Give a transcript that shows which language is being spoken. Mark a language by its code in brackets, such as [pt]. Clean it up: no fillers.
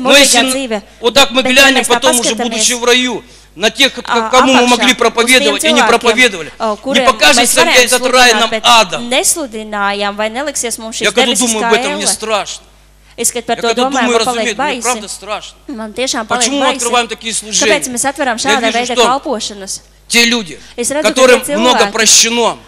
[ru] Но если вот так мы глянем, потом уже будучи в раю, на тех, кому мы могли проповедовать и не проповедовали, не покажется ли этот рай нам адом? Я когда думаю об этом, мне страшно. [lv] Es, kad par to domāju, man paliek baisi. [ru] Pravda, strašno. [lv] Man tiešām paliek baisi. [ru] Почему мы открываем такие служения? [lv] Kāpēc mēs atveram šādā veidā kalpošanas? [ru] Те люди, которым много прощено.